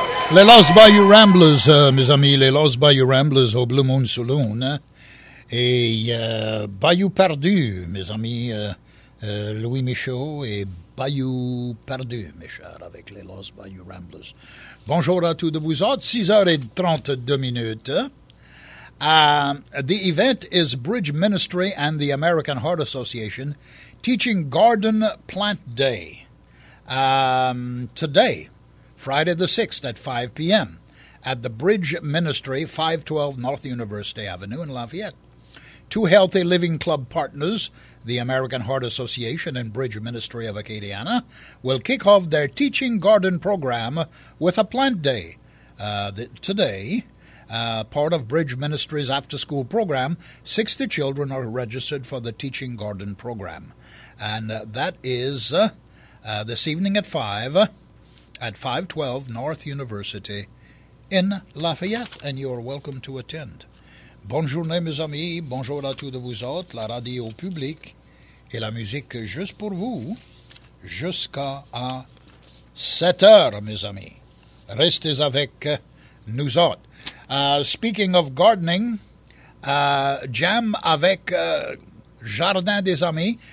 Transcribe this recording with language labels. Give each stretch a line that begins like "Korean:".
French: Les Lost Bayou Ramblers, mes amis, les Lost Bayou Ramblers au Blue Moon Saloon. Hein? Bayou Perdu, mes amis, Louis Michaud et Bayou Perdu, mes chers, avec les Lost Bayou Ramblers. Bonjour à tous de vous autres, 6h32 minutes.
English: The event is Bridge Ministry and the American Heart Association teaching Garden Plant Day. Today, Friday the 6th at 5 p.m. at the Bridge Ministry, 512 North University Avenue in Lafayette. Two Healthy Living Club partners, the American Heart Association and Bridge Ministry of Acadiana, will kick off their teaching garden program with a plant day. Part of Bridge Ministry's after-school program, 60 children are registered for the teaching garden program. And that is this evening at 5 at 512 North University in Lafayette, and you are welcome to attend.
French: Bonjour, mes amis. Bonjour à tous de vous autres. La radio publique et la musique juste pour vous jusqu'à 7 heures, mes amis. Restez avec nous autres.
English: Speaking of gardening, jam
French: avec Jardin des Amis.